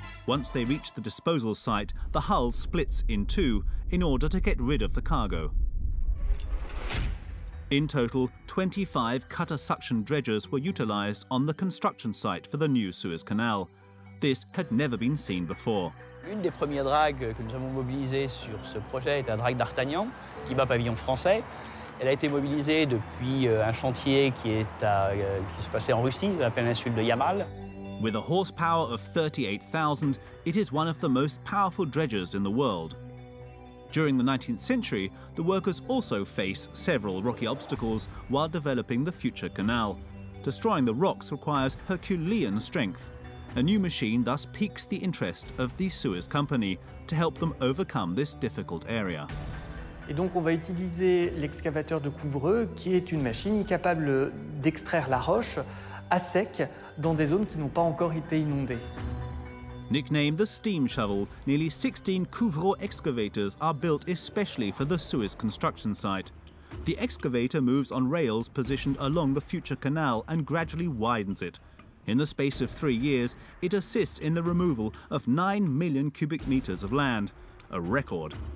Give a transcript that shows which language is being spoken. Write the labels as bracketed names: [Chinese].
[English] Once they reach the disposal site, the hull splits in two in order to get rid of the cargo. In total, 25 cutter suction dredgers were utilized on the construction site for the new Suez Canal. This had never been seen before. [French] Une des premières dragues que nous avons mobilisées sur ce projet est la drague d'Artagnan, qui bat pavillon français. Elle a été mobilisée depuis un chantier qui se passait en Russie, dans la péninsule de Yamal. [English] With a horsepower of 38,000, it is one of the most powerful dredgers in the world. During the 19th century, the workers also face several rocky obstacles while developing the future canal. Destroying the rocks requires Herculean strength. A new machine thus piques the interest of the Suez Company to help them overcome this difficult area. [French] Et donc on va utiliser l'excavateur de couvreux, qui est une machine capable d'extraire la roche à sec dans des zones qui n'ont pas encore été inondées. [English] Nicknamed the steam shovel, nearly 16 couvreux excavators are built especially for the Suez construction site. The excavator moves on rails positioned along the future canal and gradually widens it. In the space of 3 years, it assists in the removal of 9 million cubic meters of land, a record.